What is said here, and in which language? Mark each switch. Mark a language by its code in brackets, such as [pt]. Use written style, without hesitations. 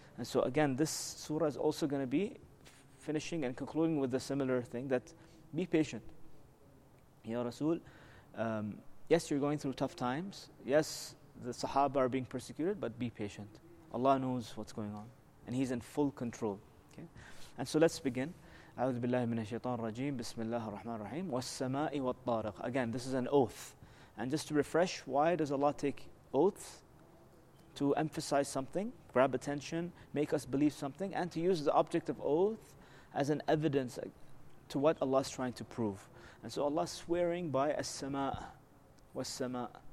[en] And so again, this surah is also going to be finishing and concluding with a similar thing, that be patient. Ya Rasul, yes, you're going through tough times. Yes, the Sahaba are being persecuted, but be patient. Allah knows what's going on, and He's in full control. Okay? And so let's begin. [ar] أعوذ بالله من الشيطان الرجيم بسم الله الرحمن الرحيم والسماء والطارق. [en] Again, this is an oath. And just to refresh, why does Allah take oaths? To emphasize something, grab attention, make us believe something, and to use the object of oath as an evidence to what Allah is trying to prove. And so Allah is swearing by as-sama' was-sama'.